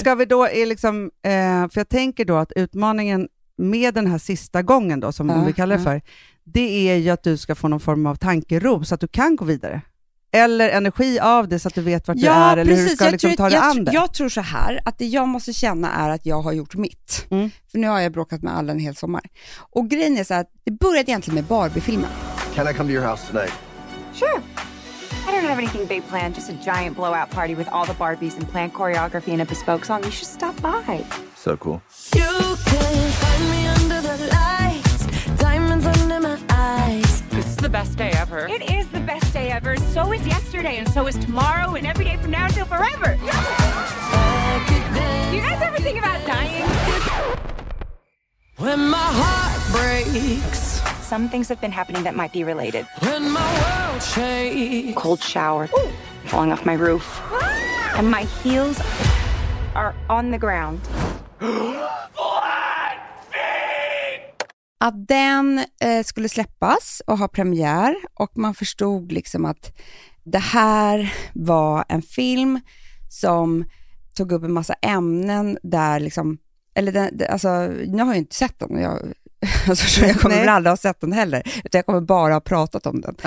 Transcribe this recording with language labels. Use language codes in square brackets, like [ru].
[sv] Ska vi då, liksom, för jag tänker då att utmaningen med den här sista gången då, som vi kallar det för, det är ju att du ska få någon form av tankero så att du kan gå vidare. Eller energi av det så att du vet vart ja, du är eller precis. Hur du ska liksom ta det an. Jag tror så här, att det jag måste känna är att jag har gjort mitt. Mm. För nu har jag bråkat med alla en hel sommar. Och grejen är så att det började egentligen med Barbie-filmen. [en] Can I come to your house today? Sure. I don't have anything big planned, just a giant blowout party with all the Barbies and planned choreography and a bespoke song. You should stop by. So cool. You can find me under the lights, diamonds under my eyes. The best day ever. It is the best day ever. So is yesterday, and so is tomorrow, and every day from now until forever. Yeah! You guys ever think about dying? when my heart breaks. Some things have been happening that might be related. When my world shakes. Cold shower. Ooh. Falling off my roof. Ah! And my heels are on the ground. [sv] Att den skulle släppas och ha premiär, och man förstod liksom att det här var en film som tog upp en massa ämnen där liksom, eller den, alltså, nu har jag ju inte sett den, jag kommer väl aldrig ha sett den heller, utan jag kommer bara ha pratat om den,